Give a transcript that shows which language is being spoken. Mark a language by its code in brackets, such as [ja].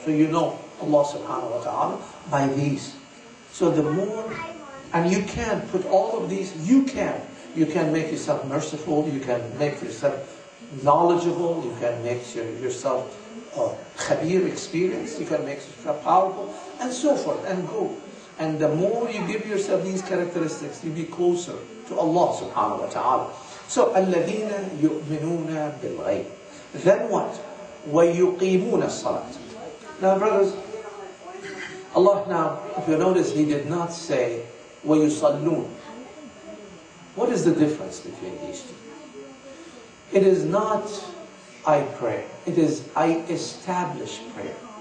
[en] So you know Allah subhanahu wa ta'ala by these. So the more, and you can put all of these, you can make yourself merciful, you can make yourself knowledgeable, you can make yourself khabir experience, you can make yourself powerful, and so forth, and go. And the more you give yourself these characteristics, you'll be closer to Allah subhanahu wa ta'ala. [ar] So, الَّذِينَ يُؤْمِنُونَ بِالْغَيْبِ. [en] Then what? [ar] وَيُقِيمُونَ الصَّلَاةِ. [en] Now brothers, Allah now, if you notice, He did not say وَيُصَلُّونَ. What is the difference between these two? It is not I pray, it is I establish prayer.